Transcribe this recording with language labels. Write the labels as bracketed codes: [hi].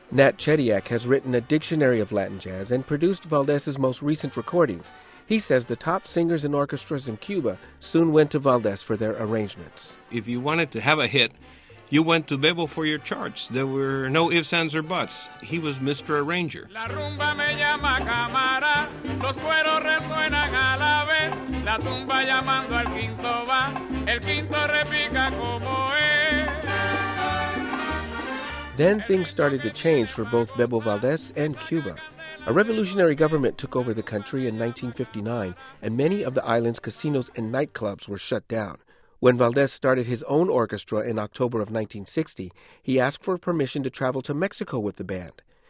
[en] Nat Chediak has written a dictionary of Latin jazz and produced Valdez's most recent recordings. He says the top singers and orchestras in Cuba soon went to Valdez for their arrangements. If you wanted to have a hit, you went to Bebo for your charts. There were no ifs, ands, or buts. He was Mr. Arranger. [es] La rumba me llama Camara, los cueros resuenan a la vez, la tumba llamando al quinto va, el quinto repica como es. [en] Then things started to change for both Bebo Valdez and Cuba. A revolutionary government took over the country in 1959, and many of the island's casinos and nightclubs were shut down. When Valdez started his own orchestra in October of 1960, he asked for permission to travel to Mexico with the band.